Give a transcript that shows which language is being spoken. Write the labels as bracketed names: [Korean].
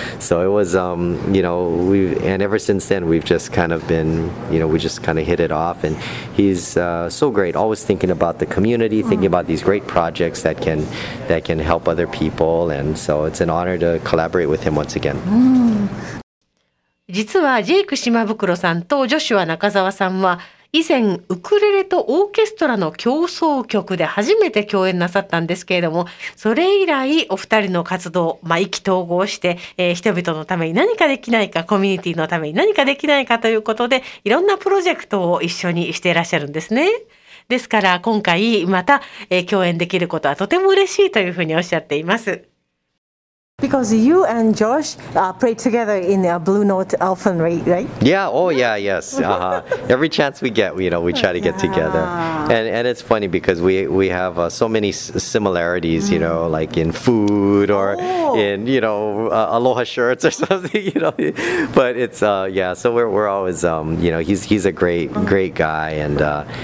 [English] So it was, and ever since then we've just kind of been, we just kind of hit it off. And he's so great, always thinking about the community, thinking about these great projects that can help other people. And so it's an honor to collaborate with him once again. [Japanese] 実はジェイク島袋さんとジョシュア中澤さんは以前ウクレレとオーケストラの協奏曲で初めて共演なさったんですけれども、それ以来お二人の活動、意気投合して、人々のために何かできないか、コミュニティのために何かできないかということで、いろんなプロジェクトを一緒にしていらっしゃるんですね。ですから今回また、共演できることはとても嬉しいというふうにおっしゃっています。 [English] Because you and Josh played together in the Blue Note Elfin, right? Yeah, oh yeah, yes. Uh-huh. Every chance we get, we try to get together. And it's funny because we have so many similarities, like in food or in, aloha shirts or something, But it's, so we're always, he's a great guy.